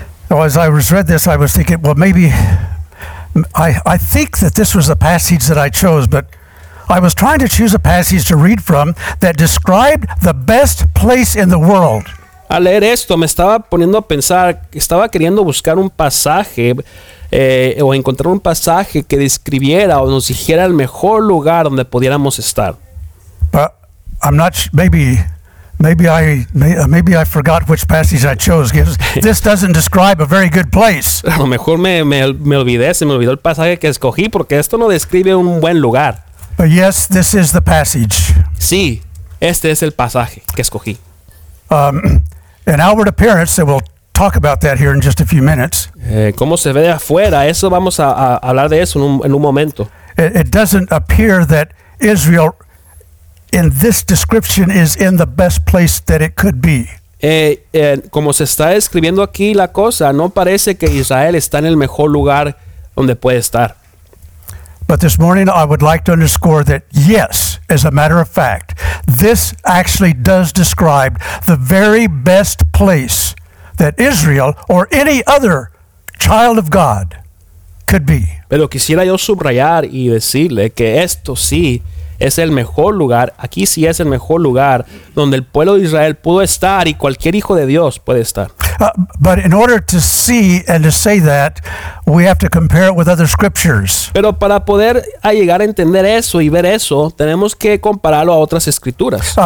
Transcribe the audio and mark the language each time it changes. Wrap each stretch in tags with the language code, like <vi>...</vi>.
<en>As I was read this, I was thinking, well, maybe I think that this was the passage that I chose, but I was trying to choose a passage to read from that described the best place in the world.</en> <es>Al leer esto, me estaba poniendo a pensar, estaba queriendo buscar un pasaje o encontrar un pasaje que describiera o nos dijera el mejor lugar donde pudiéramos estar.</es> <en>But I'm not maybe I forgot which passage I chose. This doesn't describe a very good place.</en> <es>A lo mejor me olvidó el pasaje que escogí porque esto no describe un buen lugar.</es> <en>But yes, this is the passage.</en> <es>Sí, este es el pasaje que escogí.</es> <en>An outward appearance, and we'll talk about that here in just a few minutes.</en> <es>¿Cómo se ve de afuera? Eso vamos a hablar de eso en un momento.</es> <en>It doesn't appear that Israel in this description is in the best place that it could be.</en> <es>Como se está describiendo aquí la cosa, no parece que Israel está en el mejor lugar donde puede estar.</es> <en>But this morning I would like to underscore that yes, as a matter of fact, this actually does describe the very best place that Israel or any other child of God could be.</en> <es>Pero quisiera yo subrayar y decirle que esto sí es el mejor lugar, aquí sí es el mejor lugar donde el pueblo de Israel pudo estar y cualquier hijo de Dios puede estar.</es> <en>But in order to see and to say that, we have to compare it with other scriptures.</en> <es>Pero para poder llegar a entender eso y ver eso, tenemos que compararlo a otras escrituras.</es>